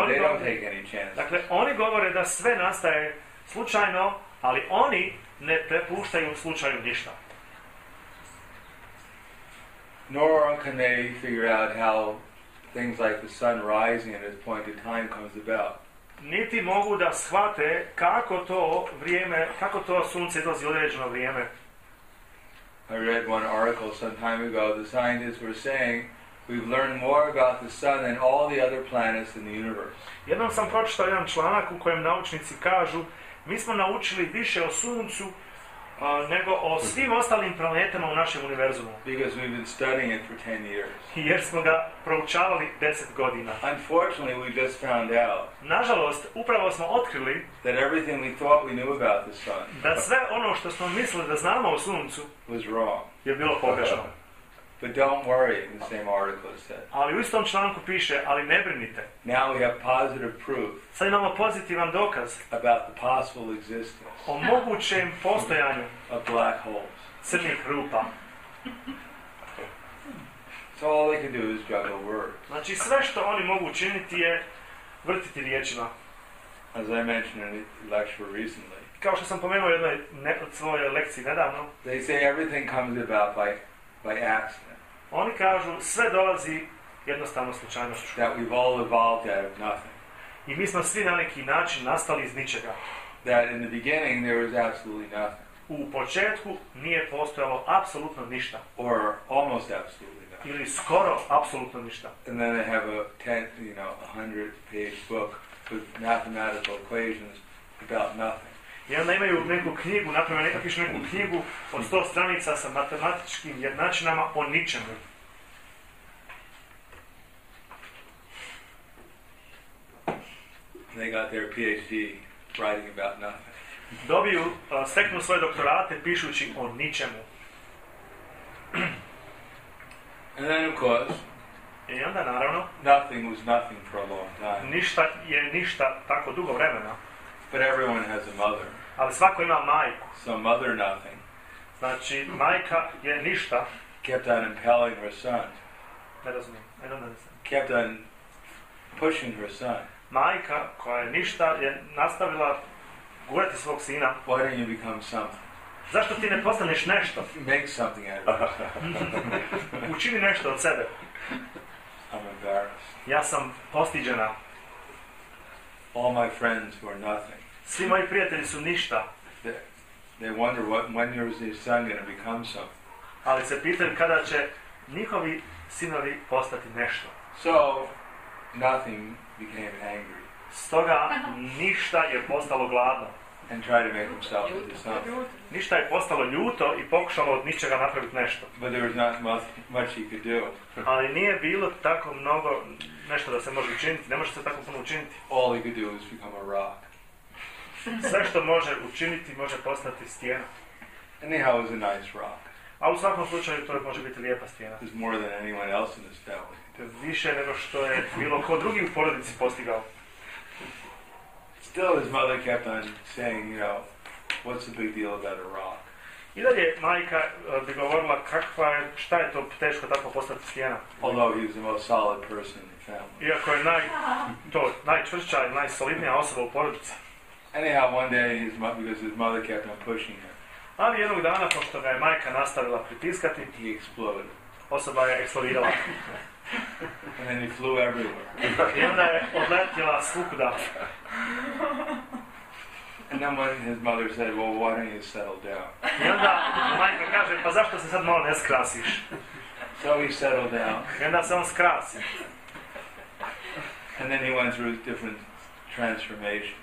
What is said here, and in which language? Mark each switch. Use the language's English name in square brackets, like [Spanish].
[English] but they don't take any chance. [Bosnian] Dakle, oni govore da sve nastaje slučajno, ali oni ne prepuštaju slučaju ništa. [English] Nor can they figure out how things like the sun rising at a point in time comes about. [Bosnian] Niti mogu da shvate kako to vrijeme, kako to sunce dolazi određeno vrijeme. [English] I read one article some time ago. The scientists were saying, we've learned more about the sun than all the other planets in the universe. [Bosnian] Jednom sam pročitao jedan članak u kojem naučnici kažu, mi smo naučili više o Suncu nego o svim ostalim planetama u našem univerzumu. [English] Because we've been studying it for 10 years. [Bosnian] Jer smo ga proučavali 10 godina. [English] Unfortunately, we just found out. [Bosnian] Nažalost, upravo smo otkrili [English] that everything we thought we knew about the sun. [Bosnian] Da sve ono što smo mislili da znamo o Suncu [English] was wrong. [Bosnian] Je bilo pogrešno. [English] But don't worry, the same article said. [Bosnian] Ali u istom članku piše, ali ne brinite. [English] Now we have positive proof. [Bosnian] Sad imamo pozitivan dokaz. [English] About the possible existence. [Bosnian] O mogućem postojanju. [English] Of black holes. [Bosnian] Crnih rupa. [English] So all they can do is juggle words. [Bosnian] Znači sve što oni mogu učiniti je vrtiti riječima. [English] As I mentioned in a lecture recently. [Bosnian] Kao što sam pomenuo u jednoj svojoj lekciji nedavno. [English] They say everything comes about by accident. [Bosnian] Oni kažu sve dolazi jednostavno slučajnošću. [English] That we've all evolved out of nothing. [Bosnian] I mi smo svi na neki način nastali iz ničega. [English] That in the beginning there was absolutely nothing. [Bosnian] U početku nije postojalo apsolutno ništa. [English] Or almost absolutely nothing. [Bosnian] Ili skoro apsolutno ništa. [English] And then they have a 100 page book with mathematical equations about nothing. [Bosnian] I onda imaju neku knjigu, napravljaju nekakvišu neku knjigu od 100 stranica sa matematičkim jednačinama o ničemu. [English] They got their PhD writing about nothing. [Bosnian] Dobiju, steknu svoje doktorate pišući o ničemu. [English] And then of course, [Bosnian] i onda naravno, [English] nothing was nothing for a long time. [Bosnian] Ništa je ništa tako dugo vremena. [English] But everyone has a mother. [Bosnian] Ali svako ima majku. [English] So mother nothing. [Bosnian] Znači, majka je ništa. [English] Kept on impelling her son. That doesn't mean. I don't understand. Kept on pushing her son. [Bosnian] Majka koja je ništa je nastavila gurati svog sina. [English] Why don't you become something? [Bosnian] Zašto ti ne postaneš nešto? [English] Make something out of it. [Bosnian] Učini nešto od sebe. [English] I'm embarrassed. [Bosnian] Ja sam postiđena. [English] All my friends were nothing. [Bosnian] Svi moji prijatelji su ništa. [English] They wonder when your son going to become something. [Bosnian] Ali se pitam kada će njihovi sinovi postati nešto. [English] So nothing became angry. [Bosnian] Stoga ništa je postalo gladno. [English] And tried to make himself into something. [Bosnian] Ništa je postalo ljuto i pokušalo od ničega napraviti nešto. [English] But there was not much he could do. [Bosnian] Ali nije bilo tako mnogo nešto da se može učiniti. Ne može se tako puno učiniti. [English] All he could do is become a rock. [Bosnian] Sve što može učiniti može postati stjena. [English] Anyhow, it's a nice rock. [Bosnian] A u svakom slučaju to može biti lijepa stjena. [English] It's more than anyone else in this family. [Bosnian] Više nego što je bilo ko drugi u porodici postigao. [English] Still, his mother kept on saying, you know, what's the big deal about a rock? [Bosnian] I dalje majka bi govorila kakva je, šta je to teško tako postati stjena. [English] Although he was the most solid person in the family. [Bosnian] Iako je najčvršća i najsolidnija osoba u porodici. [English] Anyhow, one day his mother, because his mother kept on pushing him. [Bosnian] Ali jednog dana, pošto ga je majka nastavila pritiskati, [English] he exploded. [Bosnian] Osoba je eksplodirala. [English] And then he flew everywhere. [Bosnian] I onda je odletjela svukuda. [English] And then when his mother said, well, why don't you settle down? [Bosnian] I onda majka kaže, pa zašto se sad malo ne skrasiš? [English] So he settled down. [Bosnian] I onda se on skrasi. [English] And then he went through different transformation.